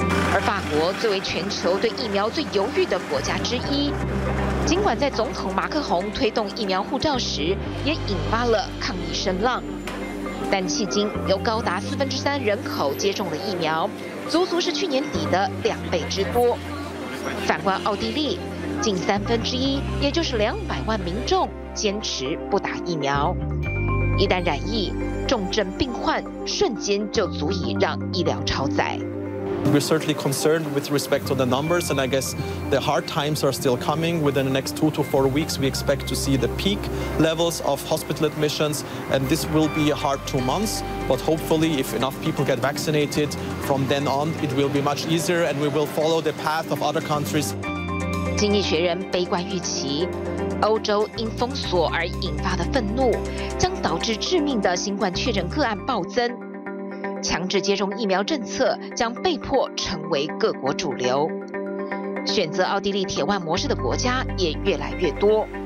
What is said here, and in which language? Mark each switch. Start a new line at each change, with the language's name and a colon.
Chinese: 而法国作为全球对疫苗最犹豫的国家之一，尽管在总统马克宏推动疫苗护照时也引发了抗议声浪，但迄今有高达四分之三人口接种了疫苗，足足是去年底的两倍之多。反观奥地利，近三分之一，也就是200万民众坚持不打疫苗，一旦染疫，重症病患瞬间就足以让医疗超载。
English: We're certainly concerned with respect to the numbers, and I guess the hard times are still coming. Within the next 2 to 4 weeks, we expect to see the peak levels of hospital admissions, and this will be a hard 2 months. But hopefully, if enough people get vaccinated from then on, it will be much easier, and we will follow the path of other countries.
Chinese: 经济学人悲观预期，欧洲因封锁而引发的愤怒将导致致命的新冠确诊个案暴增。强制接种疫苗政策将被迫成为各国主流，选择奥地利铁腕模式的国家也越来越多。